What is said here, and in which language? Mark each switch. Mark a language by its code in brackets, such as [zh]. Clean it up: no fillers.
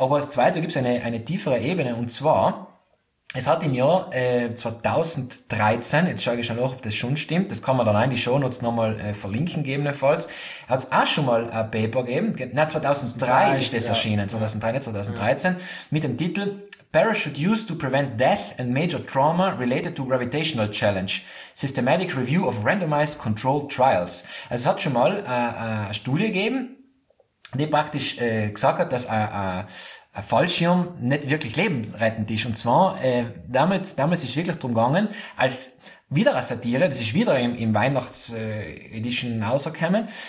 [de] Aber als Zweite gibt es eine tiefere Ebene und zwar, es hat im Jahr 2013, jetzt schaue ich schon nach, ob das schon stimmt, das kann man dann in die Shownotes nochmal verlinken gegebenenfalls, hat es auch schon mal ein Paper gegeben, nein, 2003 ist das erschienen, 2003, nicht 2013, mit dem Titel [en] Parachute used to prevent death and major trauma related to gravitational challenge. Systematic review of randomized controlled trials. [de] Also es hat schon mal eine Studie gegeben, die praktisch gesagt hat, dass ein Fallschirm nicht wirklich lebensrettend ist. Und zwar, damals ist wirklich darum gegangen, als wieder eine Satire, das ist wieder im Weihnachts-Edition rausgekommen.